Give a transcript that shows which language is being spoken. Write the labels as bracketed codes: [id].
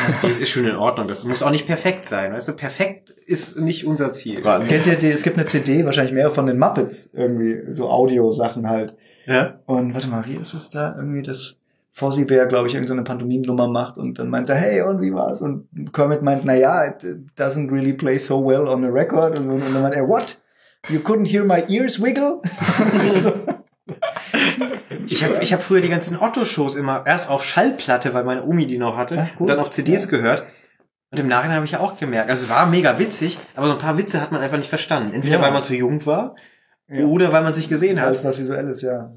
[de] es ist schon in Ordnung. Das muss auch nicht perfekt sein. Weißt du, perfekt ist nicht unser Ziel. Kennt ihr die? Es gibt eine CD, wahrscheinlich mehr von den Muppets. Irgendwie so Audio-Sachen halt. Ja. Und warte mal, wie ist es da irgendwie, das Fossibär, glaube ich, irgendeine Pantomimennummer macht und dann meint er, hey, und wie war's? Und Kermit meint, naja, [en] it doesn't really play so well on the record. [de] Und dann meint er, [en] what? You couldn't hear my ears wiggle? [de] Ich hab früher die ganzen Otto-Shows immer erst auf Schallplatte, weil meine Omi die noch hatte, und dann auf CDs gehört. Und im Nachhinein habe ich ja auch gemerkt, also es war mega witzig, aber so ein paar Witze hat man einfach nicht verstanden. Entweder weil man zu jung war, oder weil man sich gesehen hat. Als was Visuelles, ja.